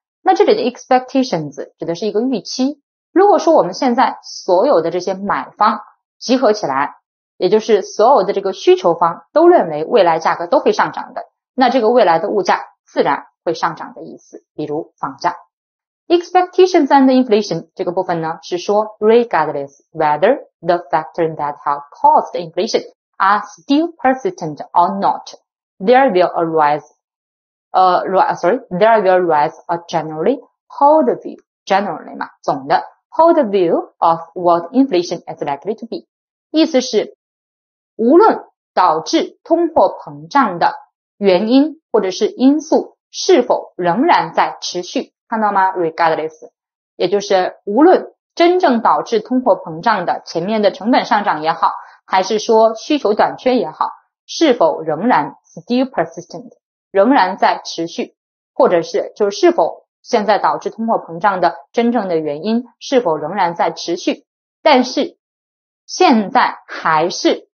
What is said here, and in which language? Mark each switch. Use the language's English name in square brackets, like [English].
[Chinese] 那这里的 expectations 指的是一个预期。如果说我们现在所有的这些买方集合起来，也就是所有的这个需求方都认为未来价格都会上涨的，那这个未来的物价自然会上涨的意思，比如房价。 [English] expectations and inflation [Chinese] 这个部分呢是说 [English] regardless whether the factors that have caused inflation are still persistent or not, there will arise a generally hold view, generally [Chinese] 嘛，总的 [English] hold view of what inflation is likely to be。 [Chinese] 意思是无论导致通货膨胀的原因或者是因素是否仍然在持续，看到吗？ regardless 也就是无论真正导致通货膨胀的前面的成本上涨也好，还是说需求短缺也好，是否仍然 [English] still persistent [Chinese] 仍然在持续，或者是就是否现在导致通货膨胀的真正的原因是否仍然在持续，但是现在还是